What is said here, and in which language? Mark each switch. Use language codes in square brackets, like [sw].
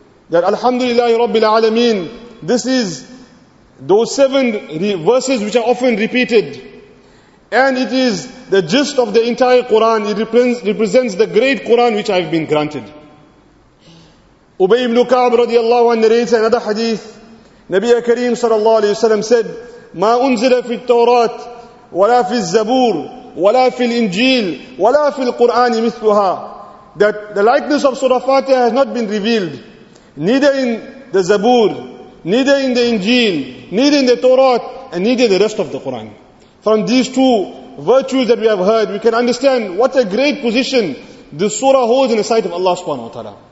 [en] That Alhamdulillah Rabbil Alameen, this is those seven verses which are often repeated, and it is the gist of the entire Quran. It represents the great Quran which I have been granted. Ubay ibn Ka'b radiallahu anhu narrates another hadith. [ar] Nabiya Kareem sallallahu alayhi wa sallam said, ما أنزل في التوراة ولا في الزبور ولا في الإنجيل ولا في القرآن مثلها. [en] That the likeness of Surah Fatiha has not been revealed, neither in the Zabur, neither in the Injil, neither in the Torah, and neither in the rest of the Quran. From these two virtues that we have heard, we can understand what a great position this surah holds in the sight of Allah subhanahu wa ta'ala.